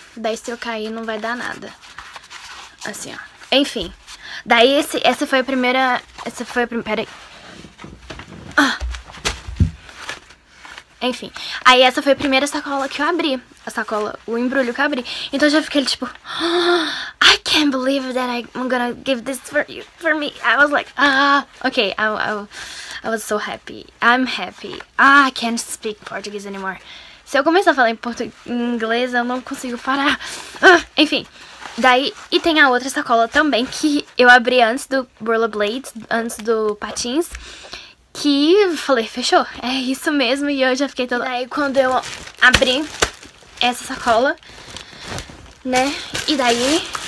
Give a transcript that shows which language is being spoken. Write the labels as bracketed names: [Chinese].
[Portuguese] Daí se eu cair não vai dar nada. Assim, ó. Enfim. Daí essa foi a primeira... Essa foi a primeira... Peraí. Ah. Enfim, aí essa foi a primeira sacola que eu abri. A sacola, o embrulho que eu abri. Então eu já fiquei tipo, oh, [English] I can't believe that I'm gonna give this for you, for me. I was like, okay, I was so happy. I'm happy. Ah, I can't speak Portuguese anymore. [Portuguese] Se eu começar a falar em inglês, eu não consigo parar. Enfim, daí, e tem a outra sacola também que eu abri antes do [English] Rollerblade, [Portuguese] antes do patins. Que falei, fechou, é isso mesmo, e eu já fiquei toda... Daí quando eu abri essa sacola, né, e daí...